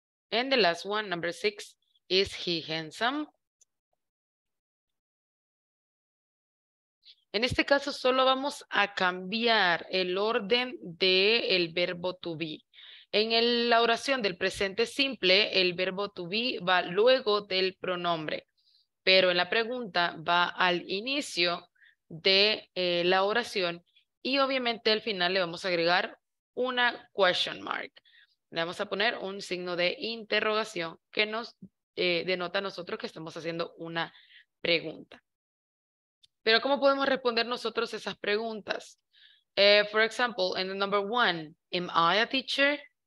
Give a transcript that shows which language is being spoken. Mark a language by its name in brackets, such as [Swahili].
[English] And the last one, number six, is he handsome? [Spanish] En este caso, solo vamos a cambiar el orden del verbo to be. En la oración del presente simple, el verbo to be va luego del pronombre, pero en la pregunta va al inicio de la oración y obviamente al final le vamos a agregar una [English] question mark. [Spanish] Le vamos a poner un signo de interrogación que nos denota a nosotros que estamos haciendo una pregunta. Pero ¿cómo podemos responder nosotros esas preguntas? [English] For example, in the number one, am I a teacher?